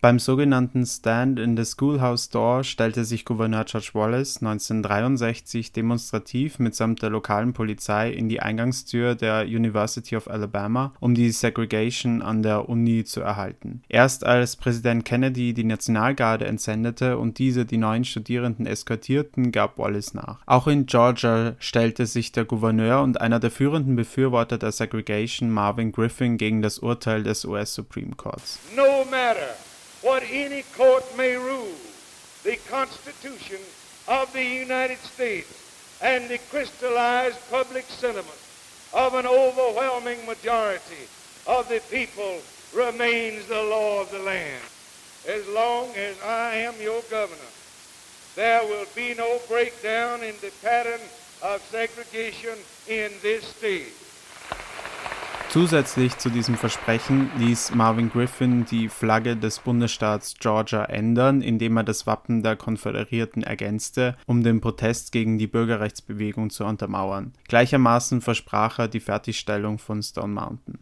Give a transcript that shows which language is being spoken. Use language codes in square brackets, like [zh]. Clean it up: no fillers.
[de] Beim sogenannten Stand in the Schoolhouse Door stellte sich Gouverneur George Wallace 1963 demonstrativ mitsamt der lokalen Polizei in die Eingangstür der University of Alabama, um die Segregation an der Uni zu erhalten. Erst als Präsident Kennedy die Nationalgarde entsendete und diese die neuen Studierenden eskortierten, gab Wallace nach. Auch in Georgia stellte sich der Gouverneur und einer der führenden Befürworter der Segregation, Marvin Griffin, gegen das Urteil des US Supreme Courts. [en] No matter what any court may rule, the Constitution of the United States and the crystallized public sentiment of an overwhelming majority of the people remains the law of the land. As long as I am your governor, there will be no breakdown in the pattern of segregation in this state. [de] Zusätzlich zu diesem Versprechen ließ Marvin Griffin die Flagge des Bundesstaats Georgia ändern, indem er das Wappen der Konföderierten ergänzte, um den Protest gegen die Bürgerrechtsbewegung zu untermauern. Gleichermaßen versprach er die Fertigstellung von Stone Mountain.